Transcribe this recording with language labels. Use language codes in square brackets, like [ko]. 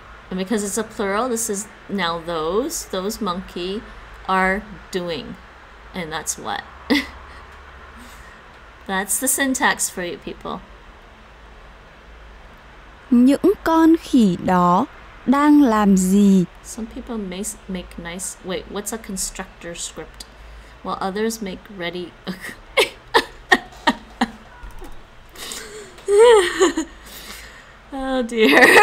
[en] And because it's a plural, this is now those monkey are doing. And that's what. That's the syntax for you people. [vi] Những con khỉ đó đang làm gì? [en] Some people make nice... Wait, what's a constructor script? While others make ready... Oh, dear.